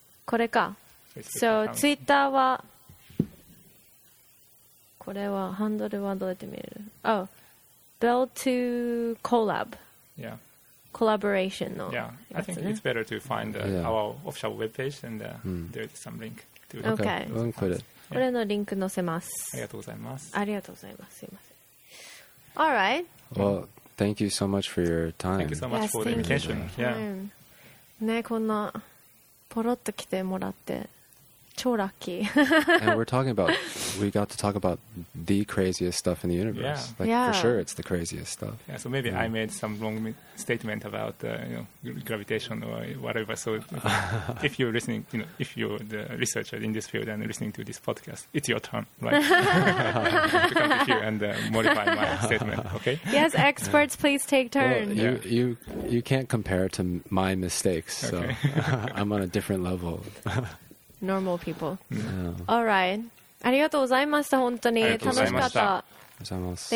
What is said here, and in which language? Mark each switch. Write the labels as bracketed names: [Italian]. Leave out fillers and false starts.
[Japanese] これか。 So, Twitter は、これはハンドルはどうやって見える? [English] Oh, Bell to Collab. Yeah. Collaboration. No. Yeah. I think it's better to find our official webpage and there's some link to it. Okay. We'll include it. [Japanese] これのリンク載せます。ありがとうございます。ありがとうございます。すいません。 All right. [English] Well, thank you so much for your time. Thank you so much for the invitation. Yeah. [Japanese] ね、こんな。ポロッと来てもらって超ラッキー。 [English] And we're talking about, we got to talk about the craziest stuff in the universe. Yeah. Like, for sure it's the craziest stuff. Yeah, so maybe I made some wrong statement about you know, gravitation or whatever. So if you're listening, you know, if you're the researcher in this field and listening to this podcast, it's your turn, right? To come to here and modify my statement, okay? Yes, experts, please take turns. Well, you can't compare it to my mistakes, so okay. I'm on a different level. Normal people. Yeah. All right. [Japanese] ありがとうございました。本当に楽しかった。ありがとうございます。